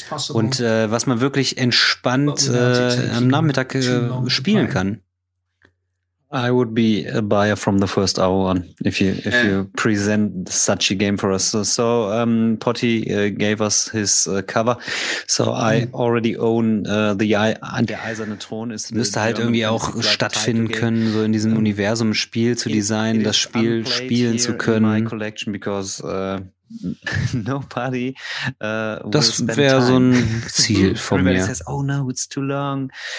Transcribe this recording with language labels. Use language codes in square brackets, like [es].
[de] Und was man wirklich entspannt am Nachmittag spielen kann. [en] I would be a buyer from the first hour on if you present such a game for us. So Potty gave us his cover. So I already own der Eiserne Thron ist. [de] Müsste halt irgendwie auch stattfinden können, so in diesem Universum ein Spiel zu designen, das Spiel spielen zu können. [en] My collection because nobody. [de] Das wäre so ein Ziel von mir. [en] Says, oh no, it's too long.